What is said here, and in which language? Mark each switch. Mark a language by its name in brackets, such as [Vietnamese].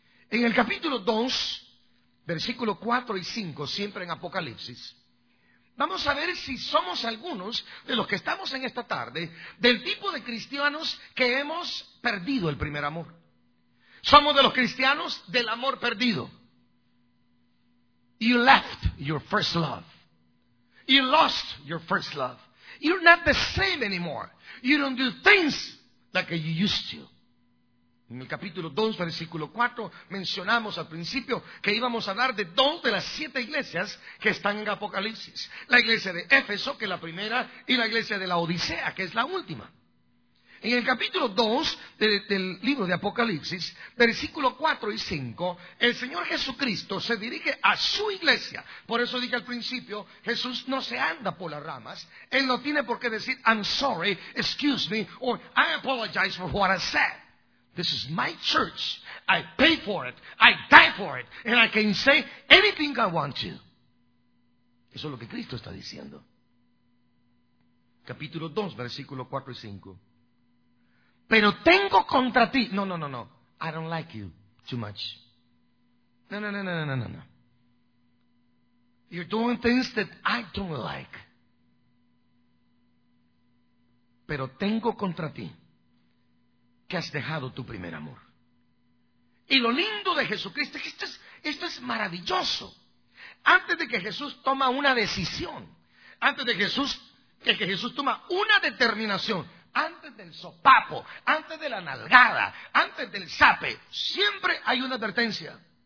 [Spanish] En el capítulo 2, versículos 4 y 5, siempre en Apocalipsis, vamos a ver si somos algunos de los que estamos en esta tarde del tipo de cristianos que hemos perdido el primer amor. Somos de los cristianos del amor perdido. [English] You left your first love. You lost your first love. You're not the same anymore. You don't do things like you used to. [Spanish] En el capítulo 2, versículo 4, mencionamos al principio que íbamos a hablar de 2 de las 7 iglesias que están en Apocalipsis. La iglesia de Éfeso, que es la primera, y la iglesia de la Odisea, que es la última. En el capítulo 2 del libro de Apocalipsis, versículo 4 y 5, el Señor Jesucristo se dirige a su iglesia. Por eso dije al principio, Jesús no se anda por las ramas. Él no tiene por qué decir, [English] I'm sorry, excuse me, or I apologize for what I said. This is my church. I pay for it. I die for it. And I can say anything I want to. [Spanish] Eso es lo que Cristo está diciendo. Capítulo 2, versículo 4 y 5. Pero tengo contra ti. No. [English] I don't like you too much. No. You're doing things that I don't like. [Spanish] Pero tengo contra ti que has dejado tu primer amor. Y lo lindo de Jesucristo es que esto es maravilloso. Antes de que Jesús toma una decisión, antes de que Jesús toma una determinación, antes del sopapo, antes de la nalgada, antes del zape, siempre hay una advertencia.